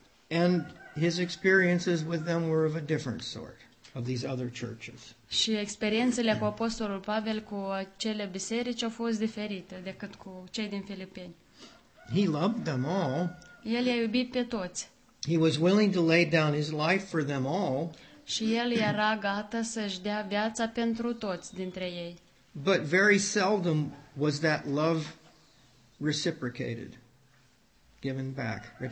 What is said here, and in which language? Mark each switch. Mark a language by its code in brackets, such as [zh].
[en] And his experiences with them were of a different sort, of these other churches. [ro] Și experiențele cu apostolul Pavel cu acele biserici au fost diferite decât cu cei din Filipeni. [en] He loved them all. [ro] El i-a iubit pe toți. [en] He was willing to lay down his life for them all. [ro] Și el era gata să-și dea viața pentru toți dintre ei. [en] But very seldom was that love reciprocated, given back.